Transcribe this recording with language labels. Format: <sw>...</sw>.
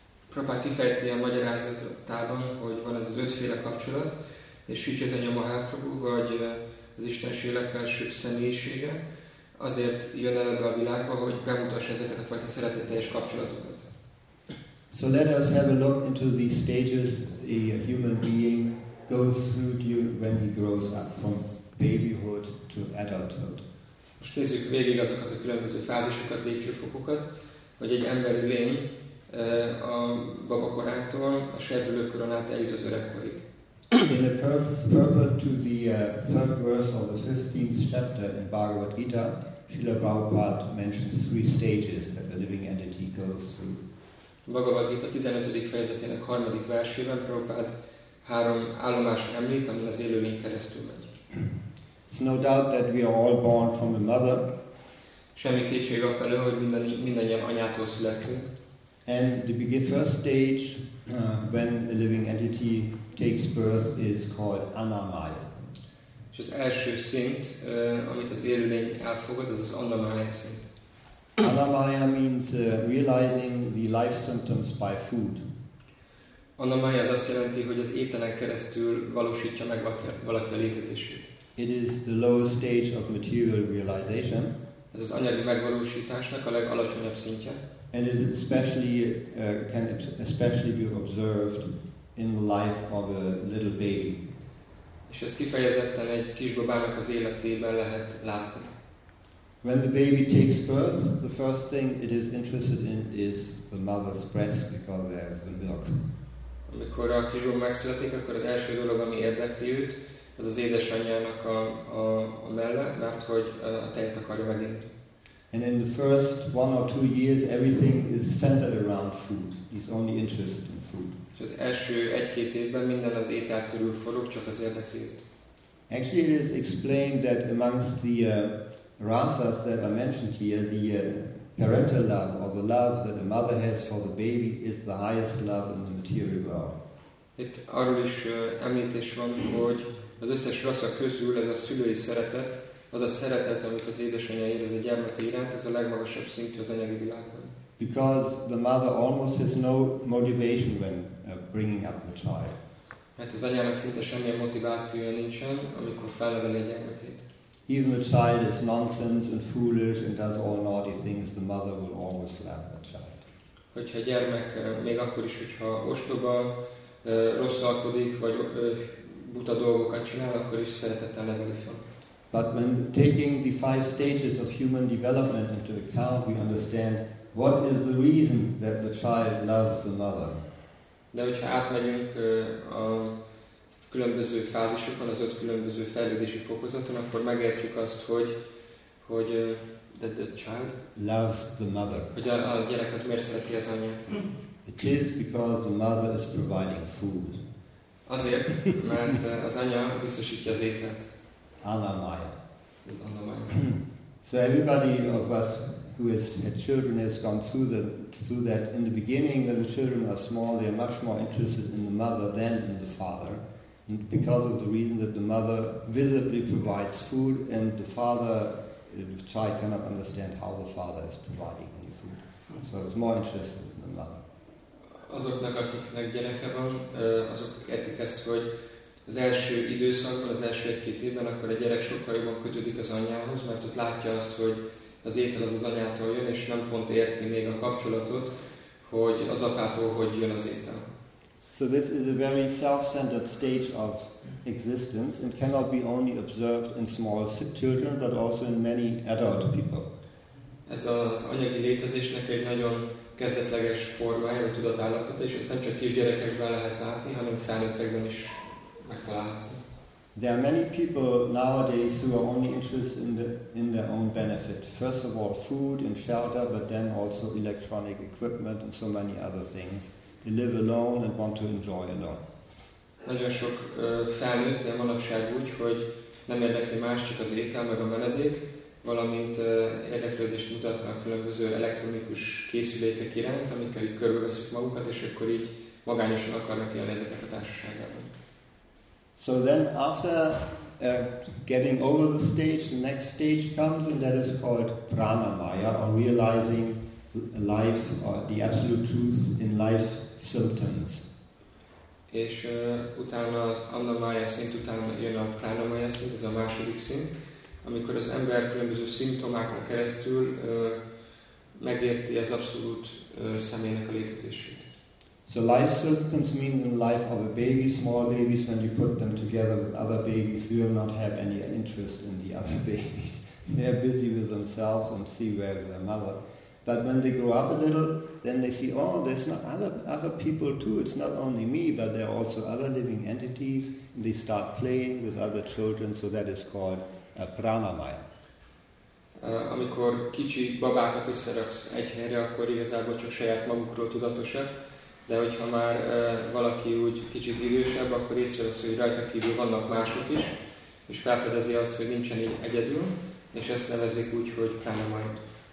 <hu>Prabhupada kifejti a magyarázatában, hogy van ez az ötféle kapcsolat, és Sri Chaitanya Mahaprabhu vagy az Istenség legfelsőbb személyisége azért jön el ebbe a világba, hogy bemutassa ezeket a fajta szeretetteljes kapcsolatokat.</hu> <en>So let us have a look into these stages a human being goes through when he grows up from babyhood to adulthood.</en> <hu>Most nézzük végig azokat a különböző fázisokat, lépcsőfokokat, hogy egy emberi lény a babakorától a serdülőkoron át eljut az öregkorig.</hu> <en>In a purport to the third verse of the 15th chapter in Bhagavad Gita, Srila Prabhupada mentions three stages that the living entity goes through.</en> <hu>Bhagavad Gita 15. fejezetének 3. versében Prabhupada három állomást említ, amin az élőlény keresztül megy.</hu> <en>It's no doubt that we are all born from a mother.</en> <hu>Semmi kétség afelől, hogy mindannyian anyától születünk.</hu> <en>And the first stage when a living entity takes birth is called Annamaya.</en> <hu>És az első szint, amit az élőlény elfogad, az Annamaya szint.</hu> <en>Annamaya means realizing the life symptoms by food.</en> <hu>Annamaya az azt jelenti, hogy az ételen keresztül valósítja meg valaki a létezését.</hu> <en>It is the lowest stage of material realization.</en> <hu>Ez az anyagi megvalósításnak a legalacsonyabb szintje.</hu> <en>And it especially can especially be observed in the life of a little baby.</en> <hu>És ez kifejezetten egy kisbabának az életében lehet látni.</hu> <en>When the baby takes birth, the first thing it is interested in is the mother's breast, because there's the milk.</en> <hu>Amikor a kisbaba megszületik, akkor az első dolog, ami érdekli őt, az az édesanyjának a melle, mert hogy a tejet akarja meginni.</hu> <en>And in the first one or two years, everything is centered around food. He's only interested in food.</en> <hu>Az első egy-két évben minden az étel körül forog, csak az érdekli őt.</hu> <en>Actually, it is explained that amongst the rasas that are mentioned here, the parental love, or the love that a mother has for the baby, is the highest love in the material world.</en> <hu>Itt arról is említés van, hogy az összes rasa közül ez a szülői szeretet, az a szeretet, amit az édesanyja érez a gyermeke iránt, ez a legmagasabb szintű az anyagi világban.</hu> <en>Because the mother almost has no motivation when bringing up the child.</en> <hu>Mert az anyának szinte semmilyen motivációja nincsen, amikor felneveli a gyermekét.</hu> <en>Even the child is nonsense and foolish and does all naughty things, the mother will always love the child.</en> <hu>Hogyha a gyermek, még akkor is, hogyha ostoba, rosszalkodik, vagy buta dolgokat csinál, akkor is szeretettel neveli fel.</hu> <en>But when taking the five stages of human development into account, we understand what is the reason that the child loves the mother.</en> <hu>De hogyha átmegyünk a különböző fázisokon, az öt különböző fejlődési fokozaton, akkor megértjük azt, hogy</hu> <en>that the child loves the mother.</en> <hu>Hogy a gyerek az miért szereti az anyját.</hu> <en>It is because the mother is providing food.</en> <hu>Azért, mert az anya biztosítja az ételt. Annamaya.</hu> <en>So everybody of us who has had children has gone through that. In the beginning, when the children are small, they are much more interested in the mother than in the father, and because of the reason that the mother visibly provides food and the father, the child cannot understand how the father is providing any food. So it's more interested in the mother.</en> <hu>azoknak, akiknek gyereke van, azok értik ezt, hogy az első időszakban, az első egy-két évben, akkor a gyerek sokkal jobban kötődik az anyához, mert ott látja azt, hogy az étel az anyától jön, és nem pont érti még a kapcsolatot, hogy az apától hogy jön az étel.</hu> <en>So this is a very self-centered stage of existence and cannot be only observed in small children, but also in many adult people.</en> <hu>Ez az anyagi létezésnek egy nagyon kezdetleges formája, a tudatállapot, és ezt nem csak kisgyerekekben lehet látni, hanem felnőttekben is megtalálható.</hu> <en>There are many people nowadays who are only interested in their own benefit. First of all, food and shelter, but then also electronic equipment and so many other things. They live alone and want to enjoy alone.</en> <hu>Nagyon sok felnőtt manapság úgy, hogy nem érdekli más, csak az étel meg a menedék, valamint érdeklődést mutatnak különböző elektronikus készülékek iránt, amikkel így körbeveszik magukat, és akkor így magányosan akarnak élni ezeknek a társaságában.</hu> <en>So then after getting over the stage, the next stage comes, and that is called pranamaya, or realizing life, or the absolute truth in life symptoms.</en> <hu>És utána az annamaya szint, utána jön a pranamaya szint, ez a második szint, amikor az ember különböző szimptomákon keresztül megérti az abszolút személynek a létezését.</hu> <en>So life symptoms mean in life of a baby, small babies, when you put them together with other babies, you will not have any interest in the other babies. They are busy with themselves and see where is their mother. But when they grow up a little, then they see, oh, there's not other people too, it's not only me, but there are also other living entities, and they start playing with other children, so that is called a pranamaya.</en> <hu>Amikor kicsi babákat összeraksz egy helyre, akkor igazából csak saját magukról tudatosak, de hogyha már valaki úgy kicsit idősebb, akkor észrevesz, hogy rajta kívül vannak mások is, és felfedezi azt, hogy nincsen így egyedül, és ezt nevezik úgy, hogy pranamaya.</hu>